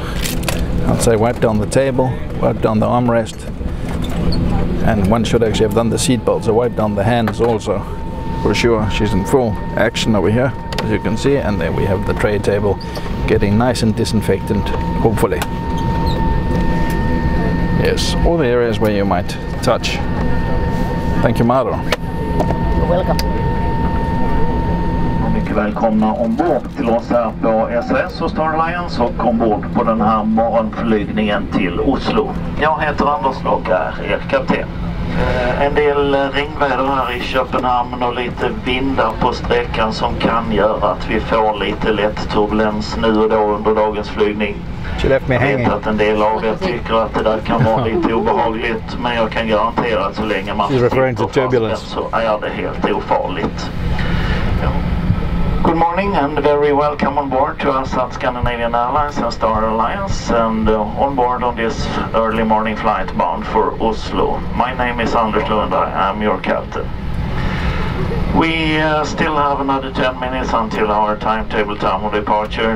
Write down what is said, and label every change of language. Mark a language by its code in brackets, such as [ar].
[en] I'd say wipe down the table, wipe down the armrest, and one should actually have done the seat belt, so wipe down the hands also. For sure, she's in full action over here, as you can see, and there we have the tray table getting nice and disinfectant, hopefully. Yes, all the areas where you might touch. Thank you, Maro. Welcome. [sv] Mycket välkomna ombord till oss här på SAS och Star Alliance och ombord på den här morgonflygningen till Oslo. Jag heter Anders och är er kapten. En del regnväder här i Köpenhamn och lite vindar på sträckan som kan göra att vi får lite lätt turbulens nu och då under dagens flygning. [en] She left me hanging. [sv] Jag vet att en del av er tycker att det där kan vara lite obehagligt, men jag kan garantera att så länge man sitter på fasten så är det helt ofarligt. [en] Good morning and very welcome on board to us at Scandinavian Airlines and Star Alliance and on board on this early morning flight bound for Oslo. My name is Anders Lund, I am your captain. We still have another 10 minutes until our timetable time of departure.